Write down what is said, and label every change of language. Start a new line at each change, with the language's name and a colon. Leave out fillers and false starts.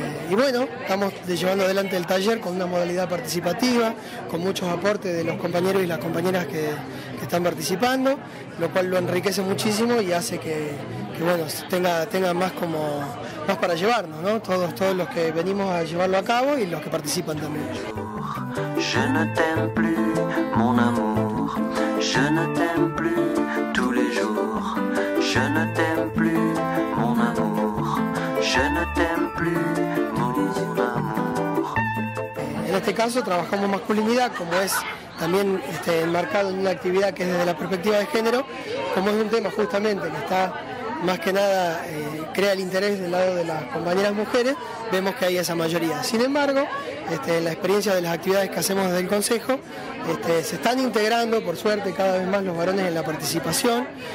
Spanish: Y bueno, estamos llevando adelante el taller con una modalidad participativa, con muchos aportes de los compañeros y las compañeras que están participando, lo cual lo enriquece muchísimo y hace que bueno, tenga más como más para llevarnos, ¿no? Todos los que venimos a llevarlo a cabo y los que participan también.
French: Je ne t'aime plus, mon amour. Je ne t'aime plus tous les jours. Je ne t'aime plus, mon amour. Je ne t'aime plus, mon amour.
Spanish: En este caso trabajamos masculinidad, como es también enmarcado en una actividad que es desde la perspectiva de género, como es un tema justamente que está más que nada crea el interés del lado de las compañeras mujeres, vemos que hay esa mayoría. Sin embargo, en la experiencia de las actividades que hacemos desde el Consejo, se están integrando, por suerte, cada vez más los varones en la participación.